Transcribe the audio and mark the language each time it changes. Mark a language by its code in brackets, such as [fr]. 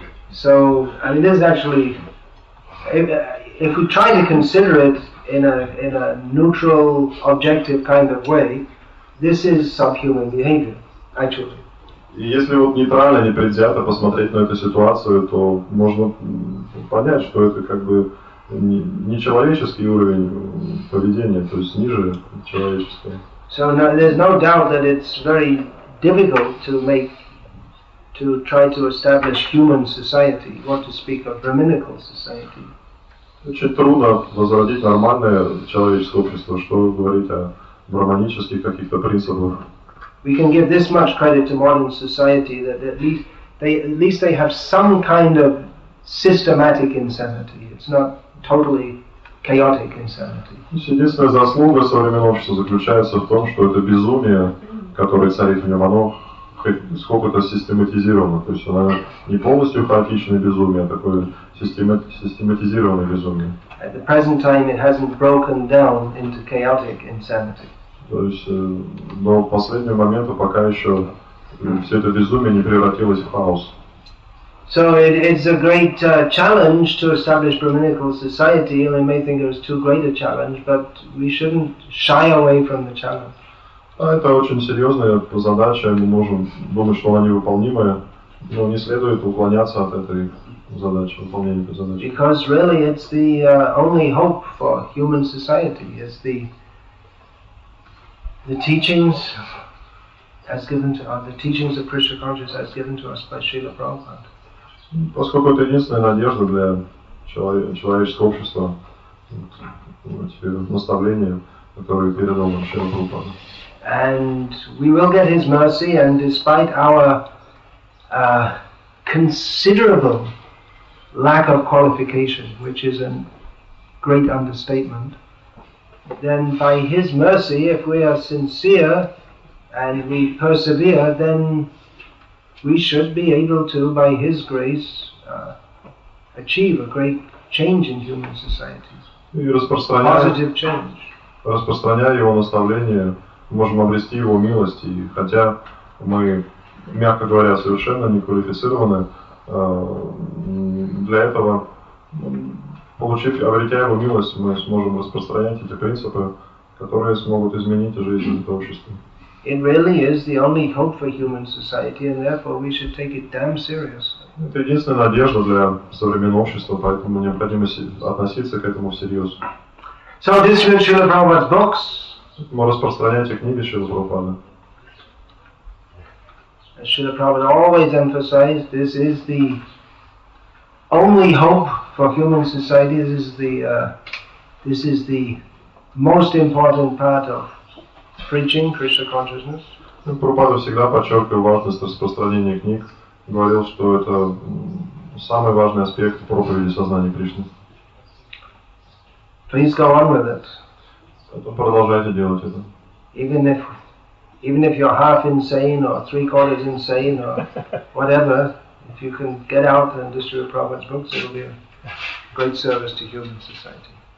[en] So, I mean, this actually, if we try to consider it in a neutral, objective kind of way, this is subhuman behavior, actually. [ru] Если вот нейтрально, непредвзято посмотреть на эту ситуацию, то можно понять, что это как бы не человеческий уровень поведения, то есть ниже человеческого. [en] So no, there's no doubt that it's very difficult to try to establish human society, what to speak of brahminical society. [ru] Очень трудно возродить нормальное человеческое общество, что говорить о брахманических каких-то принципах. [en] We can give this much credit to modern society that at least they have some kind of systematic insanity. It's not totally chaotic insanity. [ru] Единственная заслуга современного общества заключается в том, что это безумие, которое царит в нем, оно сколько-то систематизировано. То есть оно не полностью хаотичное безумие, а такое систематизированное безумие. [en] At the present time, it hasn't broken down into chaotic insanity. [ru] То есть до последнего момента пока еще все это безумие не превратилось в хаос. [en] So it's a great challenge to establish brahminical society. We may think it was too great a challenge, but we shouldn't shy away from the challenge. [ru] А это очень серьезная задача. Мы можем думать, что она невыполнимая, но не следует уклоняться от этой задачи, выполнения этой задачи. [en] Because really, it's the only hope for human society. It's the teachings of Krishna consciousness as given to us by Srila Prabhupada. [ru] Поскольку это единственная надежда для человеческого общества, наставления, которые передал нам Шрила Прабхупада. [en] And we will get his mercy, and despite our considerable lack of qualification, which is a great understatement, then by his mercy, if we are sincere and we persevere, then we should be able to, by his grace, achieve a great change in human society. Positive change. [ru] Распространяя его наставление, мы можем обрести его милость, и хотя мы, мягко говоря, совершенно не квалифицированы, для этого, получив, обретя его милость, мы сможем распространять эти принципы, которые смогут изменить жизнь этого общества. [en] It really is the only hope for human society, and therefore we should take it damn seriously. [ru] Это единственная надежда для современного общества, поэтому необходимо относиться к этому всерьез. [en] So distribute Srila Prabhupada's books. [ru] Мы распространяем эти книги Шрилы Прабхупады. [en] As Srila Prabhupada always emphasized, this is the only hope for human society. This is the most important part of preaching Krishna consciousness. [ru] Прабхупада всегда подчеркивал важность распространения книг. Говорил, что это самый важный аспект проповеди сознания Кришны. [en] Please go on with it. [ru] Продолжайте делать это. [en] Even if you're half insane or three quarters insane or whatever, if you can get out and distribute Prabhupada's books, it will be a great service to human society.